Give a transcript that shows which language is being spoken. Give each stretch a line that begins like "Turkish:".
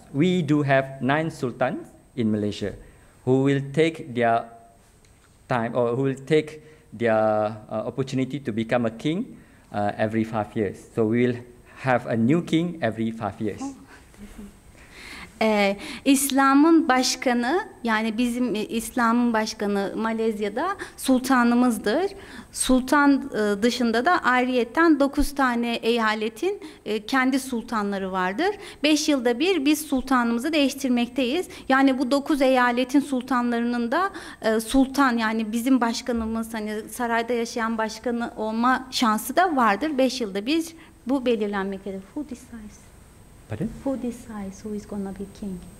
English: We do have 9 sultans in Malaysia, who will take their time or who will take their opportunity to become a king every 5 years. So we will have a new king every 5 years.
Turkish: İslam'ın başkanı, yani bizim İslam'ın başkanı Malezya'da sultanımızdır. Sultan dışında da ayrıyetten 9 tane eyaletin kendi sultanları vardır. 5 yılda bir biz sultanımızı değiştirmekteyiz. Yani bu 9 eyaletin sultanlarının da sultan, yani bizim başkanımız, hani sarayda yaşayan başkanı olma şansı da vardır. 5 yılda bir bu belirlenmektedir.
English: Who decides? Pardon? Who decides who is going to be king?